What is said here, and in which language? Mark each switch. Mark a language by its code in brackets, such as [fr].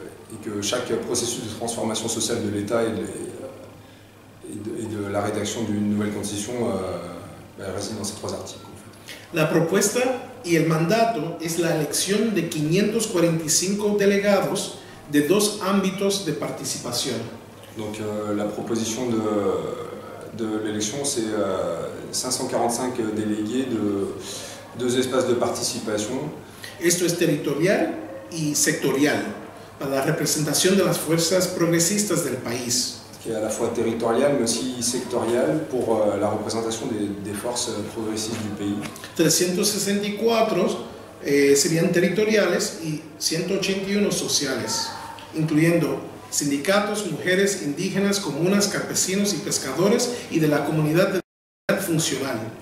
[fr] Et que chaque processus de transformation sociale de l'État et de la rédaction d'une nouvelle constitution réside dans ces trois articles. En fait. [es] La propuesta y el mandato es la elección de 545 delegados de dos ámbitos de participación. [fr] Donc la proposition de l'élection, c'est 545 délégués de deux espaces de participation. [es] Esto es territorial y sectorial. Para la representación de las fuerzas progresistas del país. [fr] Que a la fois territorial, mais aussi sectorial, pour la représentation des forces progressistes du pays. [es] 364 serían territoriales y 181 sociales, incluyendo sindicatos, mujeres, indígenas, comunas, campesinos y pescadores y de la comunidad de diversidad funcional.